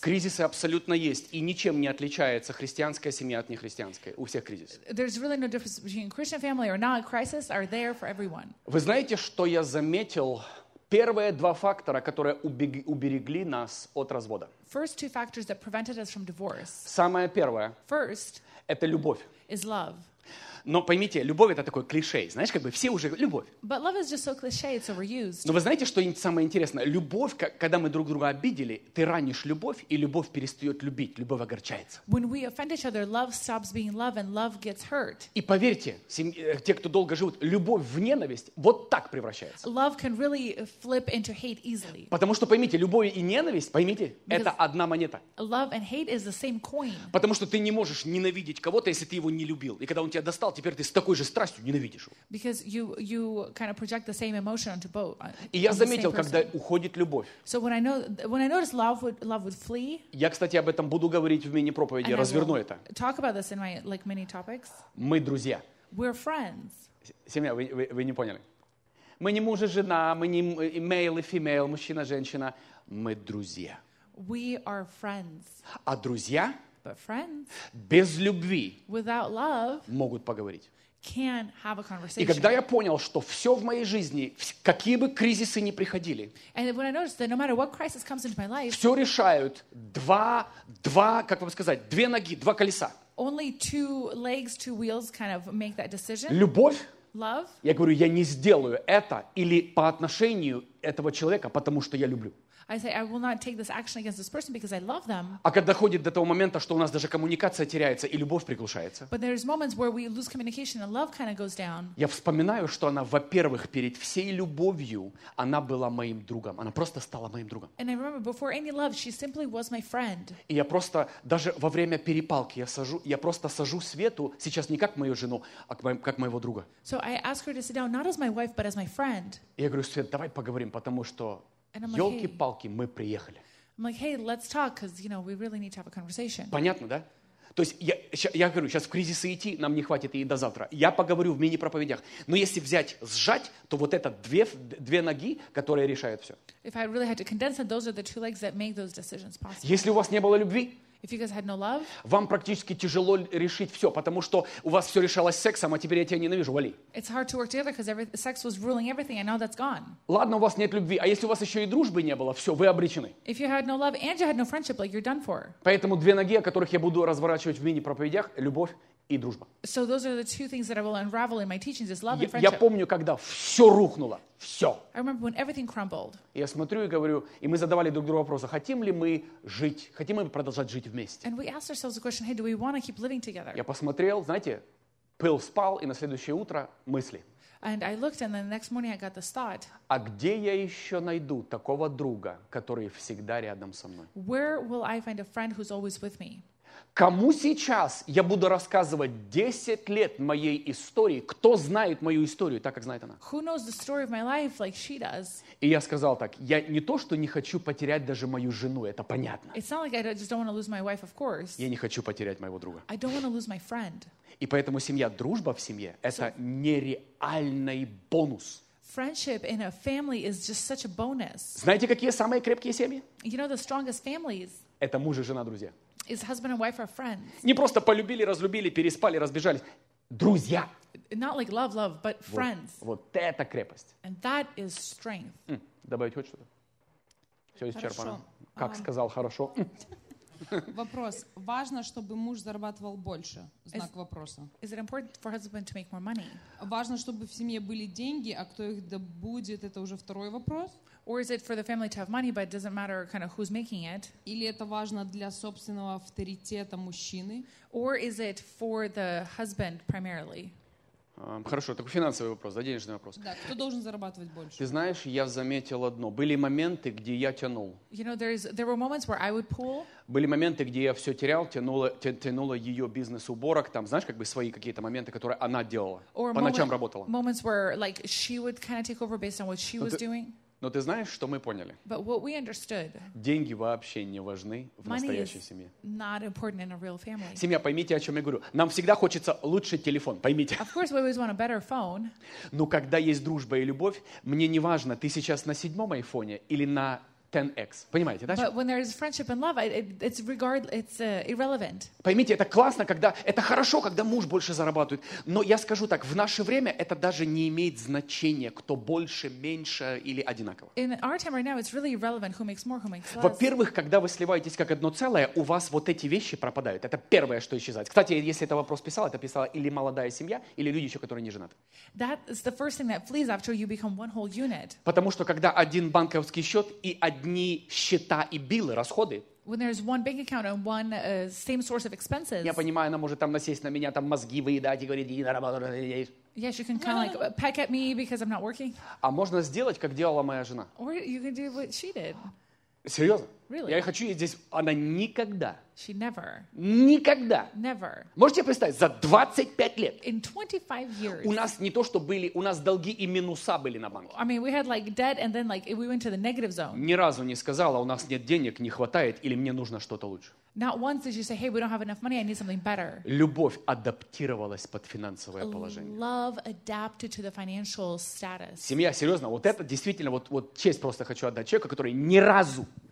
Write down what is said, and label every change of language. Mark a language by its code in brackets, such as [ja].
[ru] Кризисы абсолютно есть, и ничем не отличается христианская семья от нехристианской. У всех кризис. [en] There's really no difference between Christian family or not. Crises are there for everyone. [ru] Вы знаете, что я заметил? Первые два фактора, которые уберегли нас от развода. [en] First two factors that prevented us from divorce. [ru] Самое первое. [en] First. [ru] Это любовь. [en] Is love. [ru] Но поймите, любовь — это такой клише, знаешь, как бы все уже любовь. [en] But love is just so cliche, it's overused. [ru] Но вы знаете, что самое интересное? Любовь, когда мы друг друга обидели, ты ранишь любовь, и любовь перестает любить, любовь огорчается. [en] When we offend each other, love stops being love, and love gets hurt. [ru] И поверьте, те, кто долго живут, любовь в ненависть вот так превращается. [en] Love can really flip into hate easily. [ru] Потому что поймите, любовь и ненависть, поймите, [en] because [ru] это одна монета. [en] Love and hate is the same coin. [ru] Потому что ты не можешь ненавидеть кого-то, если ты его не любил, и когда он тебя достал, теперь ты с такой же страстью ненавидишь его. [en] Because you kind of project the same emotion onto both. [ru] И я заметил, когда уходит любовь. [en] So when I noticed love would flee. [ru] Я, кстати, об этом буду говорить в мини-проповеди. Разверну это. [en] Talk about this in my like mini topics. [ru] Мы друзья. [en] We're friends. [ru] Семья, вы не поняли. Мы не муж и жена, мы не [en] male [ru] и [en] female, [ru] мужчина, женщина. Мы друзья. [en] We are friends. [ru] А друзья? [en] But friends, [ru] без любви, [en] without love, [ru] могут поговорить. [en] Can have a conversation. [ru] И когда я понял, что все в моей жизни, какие бы кризисы ни приходили, [en] and when I noticed that no matter what crisis comes into my life, [ru] все решают два, как вам сказать, две ноги, два колеса. [en] only two legs, two wheels kind of make that decision. [ru] Любовь. [en] Love. [ru] Я говорю, я не сделаю это или по отношению этого человека, потому что я люблю. [en] I say I will not take this action against this person because I love them. [ru] А когда доходит до того момента, что у нас даже коммуникация теряется и любовь приглушается. [en] But there's moments where we lose communication and love kind of goes down. [ru] Я вспоминаю, что она, во-первых, перед всей любовью, она была моим другом. Она просто стала моим другом. [en] And I remember before any love, she simply was my friend. [ru] И я просто даже во время перепалки я просто сажу Свету сейчас не как мою жену, а как моего друга. [en] So I ask her to sit down not as my wife but as my friend. [ru] И я говорю, Свет, давай поговорим, потому что ёлки-палки, мы приехали. [en] I'm like, hey, let's talk, because, you know, we really need to have a conversation. [ru] Понятно, да? То есть я говорю, сейчас в кризисы идти, нам не хватит и до завтра. Я поговорю в мини-проповедях. Но если взять, сжать, то вот это две ноги, которые решают все. [en] If I really had to condense it, those are the two legs that make those decisions possible. [ru] Если у вас не было любви, [en] if you guys had no love, [ru] вам практически тяжело решить все, потому что у вас все решалось сексом, а теперь я тебя ненавижу, вали. [en] It's hard to work together because sex was ruling everything, and now that's gone. [ru] Ладно, у вас нет любви, а если у вас еще и дружбы не было, все, вы обречены. [en] If you had no love and you had no friendship, like you're done for. [ru] Поэтому две ноги, о которых я буду разворачивать в мини-проповедях, любовь и дружба. [en] So those are the two things that I will unravel in my teachings: is love and friendship. [ru] Я помню, когда все рухнуло, все. [en] I remember when everything crumbled. [ru] Я смотрю и говорю, и мы задавали друг другу вопрос: хотим ли мы жить, хотим ли мы продолжать жить вместе? [en] And we asked ourselves the question: hey, do we want to keep living together? [ru] Я посмотрел, знаете, пыл спал, и на следующее утро мысли. [en] And I looked, and then the next morning I got this thought. [ru] А где я еще найду такого друга, который всегда рядом со мной? [en] Where will I find a friend who's always with me? [ru] Кому сейчас я буду рассказывать 10 лет моей истории? Кто знает мою историю так, как знает она? [en] Who knows the story of my life like she does? [ru] И я сказал так, я не то, что не хочу потерять даже мою жену, это понятно. [en] It's not like I just don't want to lose my wife, of course. [ru] Я не хочу потерять моего друга. [en] I don't want to lose my friend. [ru] И поэтому семья, дружба в семье, это нереальный бонус. [en] Friendship in a family is just such a bonus. [ru] Знаете, какие самые крепкие семьи? [en] You know the strongest families? [ru] Это муж и жена, друзья. [en] Is husband and wife are friends? [ru] Не просто полюбили, разлюбили, переспали, разбежались. Друзья. [en] Not like love, but friends. [ru] Вот это крепость. [en] And that is strength. [ru] Добавить хоть что-то? Все исчерпано. Как сказал, хорошо. Вопрос. Важно, чтобы муж зарабатывал больше? Знак вопроса. [en] Is it important for husband to make more money? [ru] Важно, чтобы в семье были деньги, а кто их добудет, это уже второй вопрос. [en] Or is it for the family to have money, but it doesn't matter kind of who's making it? [ru] Или это важно для собственного авторитета мужчины? [en] Or is it for the husband primarily? [ru] Хорошо, такой финансовый вопрос, да, денежный вопрос. Да, кто должен зарабатывать больше? Ты знаешь, я заметил одно. Были моменты, где я тянул. [en] You know, there were moments where I would pull. [ru] Были моменты, где я все терял, тянула ее бизнес уборок, там, знаешь, как бы свои какие-то моменты, которые она делала, по ночам работала. [en] Moments where like she would kind of take over based on what she was doing. [ru] Но ты знаешь, что мы поняли? [en] But what we understood, [ru] деньги вообще не важны в настоящей семье. [en] Not important in a real family. [ru] Семья, поймите, о чем я говорю. Нам всегда хочется лучший телефон, поймите. [en] Of course, we always want a better phone. [ru] Но когда есть дружба и любовь, мне не важно, ты сейчас на 7-м айфоне или на 10X. Понимаете, да? [en] But when there is friendship and love, it's irrelevant. [ru] Поймите, это классно, когда это хорошо, когда муж больше зарабатывает. Но я скажу так, в наше время это даже не имеет значения, кто больше, меньше или одинаково. [en] In our time right now, it's really irrelevant who makes more, who makes less. [ru] Во-первых, когда вы сливаетесь как одно целое, у вас вот эти вещи пропадают. Это первое, что исчезает. Кстати, если это вопрос писал, это писала или молодая семья, или люди еще, которые не женаты. [en] That is the first thing that flees after you become one whole unit. [ru] Потому что когда один банковский счет и одни счета и биллы, расходы. [en] When there's one bank account and one same source of expenses. [ru] Я понимаю, она может там насесть на меня, там мозги выедать и говорить, иди на работу. [en] Yes, you can kind of like peck at me because I'm not working. [ru] А можно сделать, как делала моя жена. [en] Or you can do what she did. [ru] Серьезно? [en] Really? [ru] Я хочу ей здесь... Она никогда. [en] She never. [ru] Никогда. [en] Never. [ru] Можете представить, за 25 лет. [en] In 25 years. [ru] У нас не то, что были, у нас долги и минуса были на банке. [en] I mean, we had like debt and then like we went to the negative zone. [ru] Ни разу не сказала, у нас нет денег, не хватает или мне нужно что-то лучше. [en] Not once did she say, hey, we don't have enough money, I need something better. [ru] Любовь адаптировалась под финансовое положение. [en] Love adapted to the financial status. [ru] Семья, серьезно, вот это действительно, вот честь просто хочу отдать человеку, который ни разу